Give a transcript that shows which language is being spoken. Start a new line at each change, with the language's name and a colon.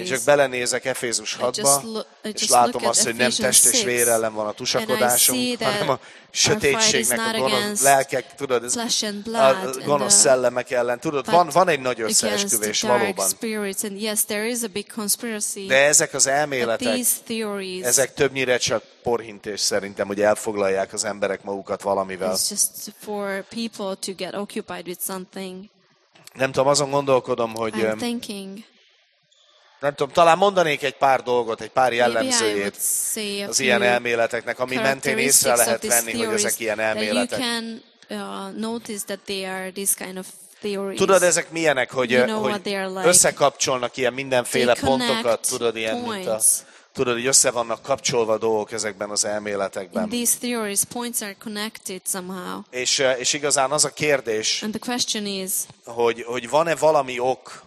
Hungarian: Én csak belenézek Efézus 6-ba, és látom azt, hogy nem test és vér ellen van a tusakodásunk, hanem a sötétségnek, a gonosz lelkek, tudod, ez a gonosz szellemek ellen. Tudod, van egy nagy összeesküvés valóban.
English: Yes, there is a big conspiracy.
Hungarian: De ezek az elméletek, ezek többnyire csak porhintés szerintem, hogy elfoglalják az emberek magukat valamivel.
English: It's just for people to get occupied with something.
Hungarian: Nem tudom, azon gondolkodom, hogy nem tudom, talán mondanék egy pár dolgot, egy pár jellemzőjét az ilyen elméleteknek, ami mentén észre lehet venni, hogy ezek ilyen elméletek.
English: You can notice that they are this kind of theories.
Hungarian: Tudod, ezek milyenek, hogy, összekapcsolnak ilyen mindenféle pontokat, tudod, ilyen, mint a, tudod, hogy össze vannak kapcsolva dolgok ezekben az elméletekben.
English: In these theories, points are connected somehow.
Hungarian: És igazán az a kérdés,
English: and the question is,
Hungarian: hogy van-e valami ok,